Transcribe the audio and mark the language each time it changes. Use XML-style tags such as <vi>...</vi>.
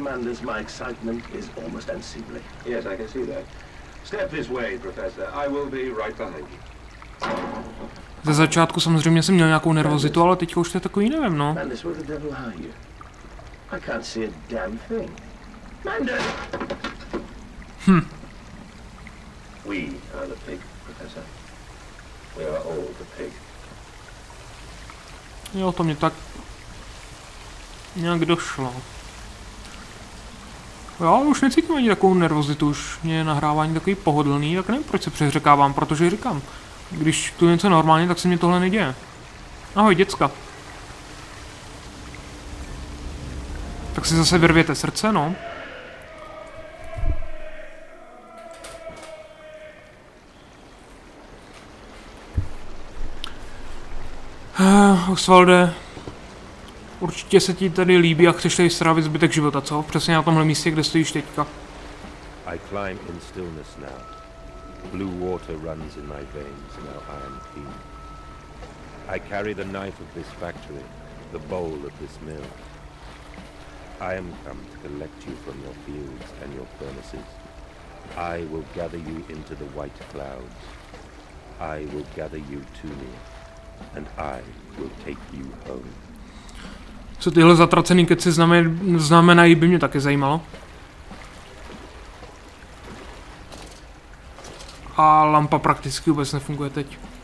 <en>Manders, my excitement is almost unseemly. Yes, I can see that. Step this way, Professor. I will be right behind you.</en> <cs>Ze začátku samozřejmě jsem měl nějakou nervozitu, ale teď už to je takový, nevím, no.</cs> <en>Manders, where the devil are you? I can't see a damn thing. Manders! We are the pig, Professor. We are all the pig.</en> <cs>Jo, to mě tak... nějak došlo. Jo, už necítím ani takovou nervozitu, už mě je nahrávání takový pohodlný, tak nevím, proč se přeřekávám, protože říkám, když tu něco normálně, tak se mi tohle neděje. Ahoj, děcka. Tak si zase vyrvěte srdce, no. Osvalde. Určitě se ti tady líbí a chceš tady strávit zbytek života, co? Přesně na tomhle místě, kde stojíš teďka.</cs> <en>I climb in stillness now. Blue water runs in my veins, now I am clean. I carry the knife of this factory, the bowl of this mill. I am come to collect you from your fields and your furnaces. I will gather you into the white clouds. I will gather you to me, and I will take you home.</en> <cs>Co tyhle zatracený keci znamenají, by mě taky zajímalo. A lampa prakticky vůbec nefunguje teď.</cs>